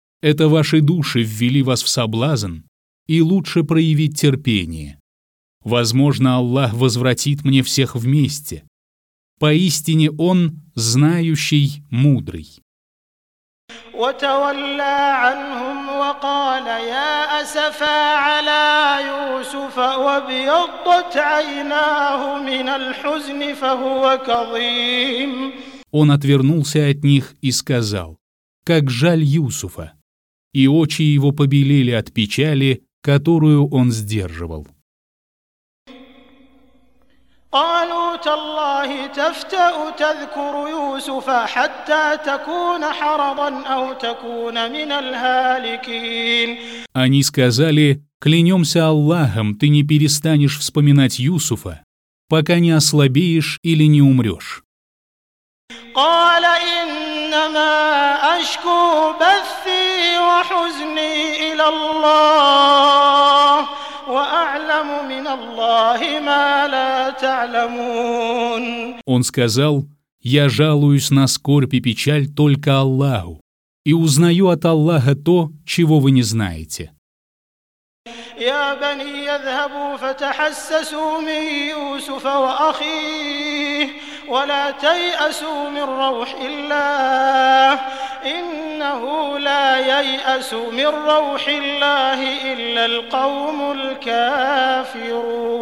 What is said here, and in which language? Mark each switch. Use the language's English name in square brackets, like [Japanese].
[Russian] это ваши души ввели вас в соблазн, и лучше проявить терпение. Возможно, Аллах возвратит мне всех вместе. Поистине Он знающий, мудрый». [Arabic] وتولى عنهم وقال يا أسفا على يوسف وبيضت عيناه من الحزن فهو كظيم. [Russian] Он отвернулся от них и сказал: «Как жаль Юсуфа!» И очи его побелели от печали, которую он сдерживал. [Arabic] قالوا تالله تفتأ تذكر يوسف حتى تكون حرضا أو تكون من الهالكين. [Russian] Они сказали: «Клянемся Аллахом, ты не перестанешь вспоминать Юсуфа, пока не ослабеешь или не умрешь». [Arabic] قال إنما أشكو بثي وحزني إلى الله وأعلم من الله ما لا تعلمون. [Russian] Он сказал: «Я жалуюсь на скорбь и печаль только Аллаху и узнаю от Аллаха то, чего вы не знаете». [Arabic] يا بني يذهبوا فتحسسوا من يوسف وأخيه ولا تيأسوا من روح الله إنه لا ييأس من روح الله إلا القوم الكافرون.